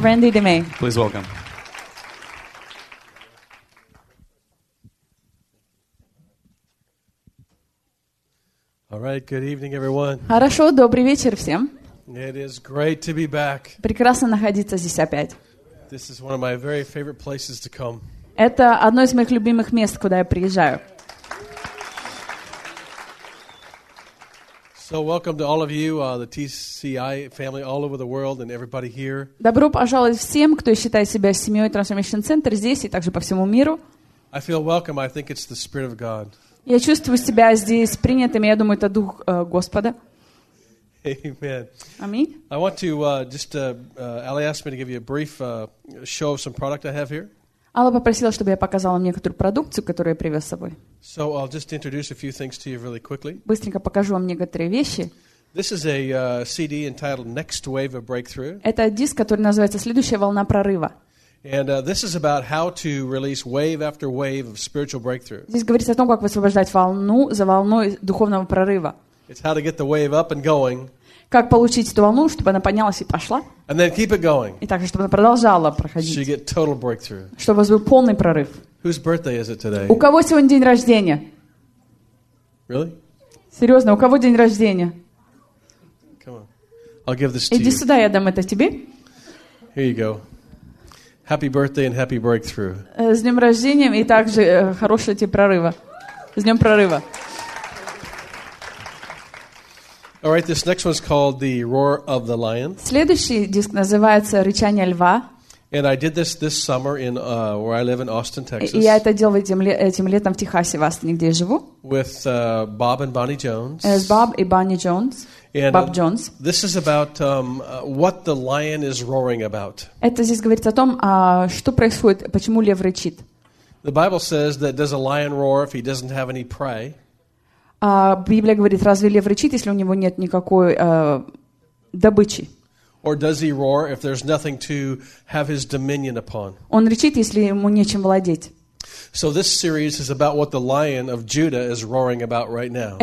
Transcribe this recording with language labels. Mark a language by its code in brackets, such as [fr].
[en] Randy DeMay. Please welcome. All right, good evening, everyone. [ru] Хорошо, добрый вечер всем. [en] It is great to be back. [ru] Прекрасно находиться здесь опять. [en] This is one of my very favorite places to come. [ru] Это одно из моих любимых мест, куда я приезжаю. [en] So welcome to all of you, the TCI family all over the world and everybody here. [ru] Добро пожаловать всем, кто считает себя семьей Transformation Center здесь и также по всему миру. [en] I feel welcome. I think it's the Spirit of God. [ru] Я чувствую себя здесь принятым, я думаю, это дух Господа. [en] Amen. Amen. I want to just Ali asked me to give you a brief show of some product I have here. [ru] Алла попросила, чтобы я показала некоторую продукцию, которую я привез с собой. [en] So I'll just introduce a few things to you really quickly. [ru] Быстренько покажу вам некоторые вещи. [en] This is a CD entitled Next Wave of Breakthrough. [ru] Это диск, который называется «Следующая волна прорыва». [en] And this is about how to release wave after wave of spiritual breakthrough. [ru] Здесь говорится о том, как высвобождать волну за волной духовного прорыва. [en] It's how to get the wave up and going. [ru] Как получить эту волну, чтобы она поднялась и пошла. [en] And then keep it going. [ru] И также, чтобы она продолжала проходить. [en] So you get total breakthrough. [ru] Чтобы у вас был полный прорыв. [en] Whose birthday is it today? [ru] У кого сегодня день рождения? [en] Really? [ru] Серьезно, у кого день рождения? [en] Come on. I'll give this to [ru] Иди Сюда, я дам это тебе. [en] Here you go. Happy birthday and happy breakthrough. [ru] С днем рождения и также хорошего тебе прорыва. С днем прорыва. [en] All right, this next one's called The Roar of the Lion. [ru] Следующий диск называется «Рычание льва». [en] And I did this summer in where I live in Austin, Texas. [ru] И я это делал этим летом в Техасе, в Астине, где я живу. [en] With Bob and Bonnie Jones. [ru] С Bob и Bonnie Jones. [en] And, Bob Jones. This is about what the lion is roaring about. [ru] Это здесь говорится о том, что происходит, почему лев рычит. [en] The Bible says that does a lion roar if he doesn't have any prey? [ru] Библия говорит, разве лев рычит, если у него нет никакой добычи? [en] Or does he roar if there's nothing to have his dominion upon? [ru] Он рычит, если ему нечем владеть. [en] So this series is about what the lion of Judah is roaring about right now.